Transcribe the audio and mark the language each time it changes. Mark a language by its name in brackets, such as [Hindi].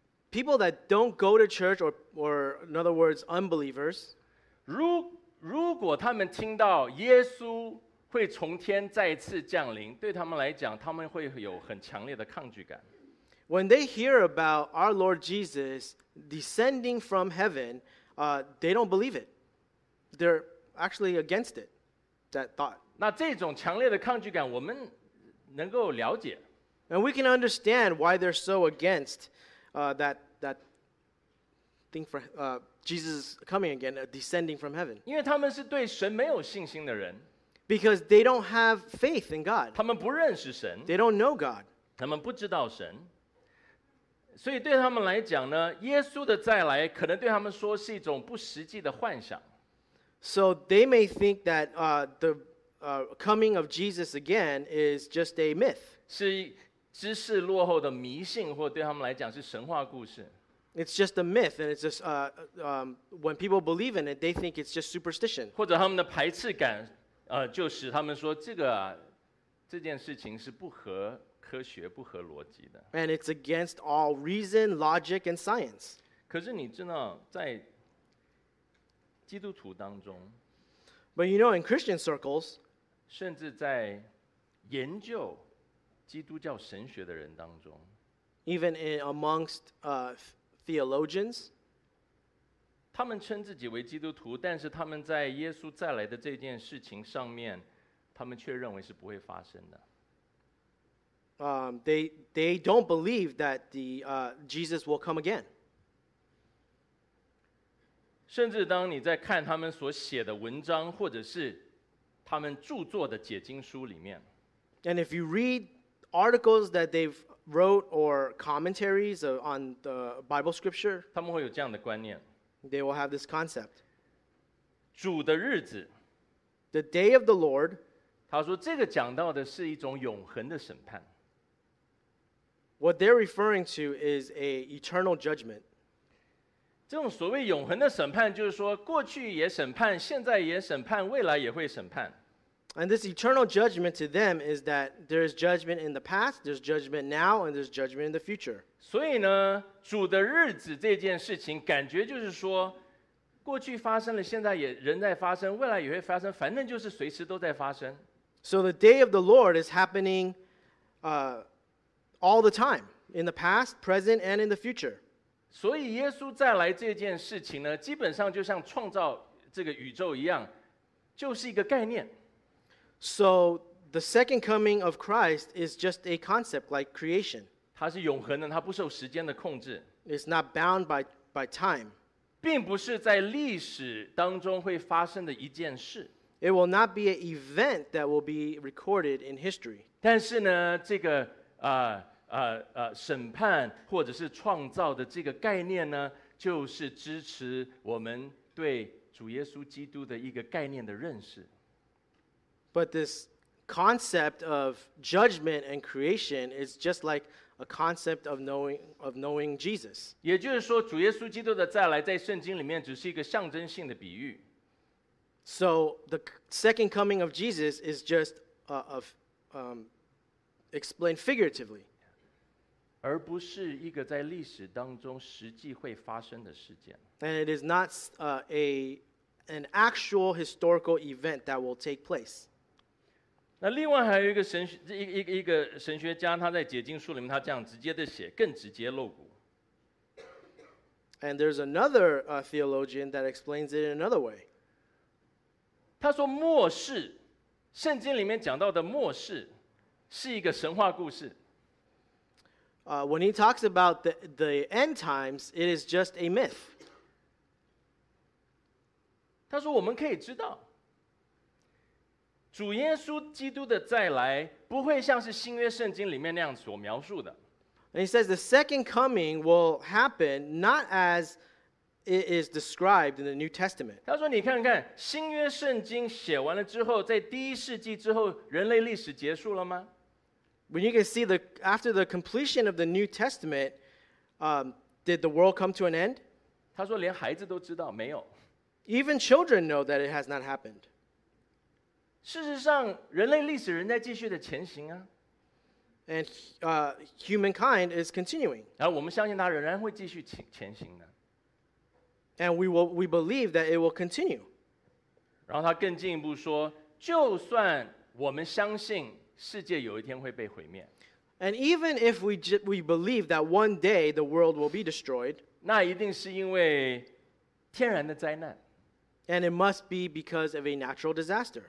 [English] people that don't go to church or in other words, unbelievers, [Chinese] 如果他们听到耶稣会从天再次降临对他们来讲他们会有很强烈的抗拒感 [English] When they hear about our Lord Jesus descending from heaven, they don't believe it. They're actually against it, that thought. [Chinese] 那这种强烈的抗拒感我们能够了解。 [English] And we can understand why they're so against that thing for Jesus coming again, descending from heaven. [Chinese] 因为他们是对神没有信心的人。 [English] Because they don't have faith in God. [Chinese] 他们不认识神。 [English] They don't know God. [Chinese] 他们不知道神。所以对他们来讲呢，耶稣的再来可能对他们说是一种不实际的幻想。 [English] So they may think that coming of Jesus again is just a myth. [Chinese] 是知识落后的迷信，或对他们来讲是神话故事。 [English] It's just a myth, and it's just when people believe in it, they think it's just superstition. [Chinese] 或者他们的排斥感，就使他们说这个这件事情是不合科学、不合逻辑的。 [English] And it's against all reason, logic, and science. [Chinese] 可是你知道在。基督徒当中 [English] But you know, in Christian circles, [Chinese] 甚至在研究基督教神学的人当中 [English] even in amongst theologians, [Chinese] 他们称自己为基督徒，但是他们在耶稣再来的这件事情上面，他们却认为是不会发生的。 [English] They don't believe that Jesus will come again. [Chinese] 甚至当你在看他们所写的文章或者是他们著作的解经书里面 [English] And if you read articles that they've wrote or commentaries on the Bible scripture [Chinese] 他们会有这样的观念 [English] They will have this concept [Chinese] 主的日子 [English] The day of the Lord [Chinese] 他说这个讲到的是一种永恒的审判 [English] What they're referring to is an eternal judgment [Chinese] 这种所谓永恒的审判就是说过去也审判现在也审判未来也会审判 [English] And this eternal judgment to them is that there is judgment in the past, there's judgment now, and there's judgment in the future. [Chinese] 所以呢主的日子这件事情感觉就是说过去发生了现在也仍在发生未来也会发生反正就是随时都在发生 [English] So the day of the Lord is happening all the time, in the past, present, and in the future. [Chinese] 所以耶稣再来这件事情呢，基本上就像创造这个宇宙一样，就是一个概念。 [English] So the second coming of Christ is just a concept like creation. [Chinese] 它是永恒的，它不受时间的控制。 [English] It's not bound by time. [Chinese] 并不是在历史当中会发生的一件事。 [English] It will not be an event that will be recorded in history. [Chinese] 但是呢，这个审判或者是创造的这个概念呢，就是支持我们对主耶稣基督的一个概念的认识。 [English] But this concept of judgment and creation is just like a concept of knowing Jesus. [Chinese] 也就是说，主耶稣基督的再来在圣经里面只是一个象征性的比喻。 [English] So the second coming of Jesus is just explained figuratively. [Chinese] 而不是一个在历史当中实际会发生的事件。 [English] And it is not a an actual historical event that will take place. [Chinese] 那另外还有一个神学 一个神学家，他在解经书里面，他这样直接的写，更直接露骨。 [English] And there's another theologian that explains it in another way. [Chinese] 他说末世，圣经里面讲到的末世，是一个神话故事。 [English] When he talks about the end times, it is just a myth. [Chinese] 他说我们可以知道，主耶稣基督的再来不会像是新约圣经里面那样所描述的。 [English] And he says the second coming will happen not as it is described in the New Testament. [Chinese] 他说你看看，新约圣经写完了之后，在第一世纪之后，人类历史结束了吗？ [English] When you can see the after the completion of the New Testament, did the world come to an end? [Chinese] 他说连孩子都知道没有。 [English] Even children know that it has not happened. [Chinese] 事实上，人类历史仍在继续的前行啊。 [English] And humankind is continuing. [Chinese] 然后我们相信它仍然会继续前行的。 [English] And we believe that it will continue. [Chinese] 然后他更进一步说，就算我们相信。世界有一天会被毁灭。 [English] And even if we believe that one day the world will be destroyed, [Chinese] 那一定是因为天然的灾难。 [English] And it must be because of a natural disaster.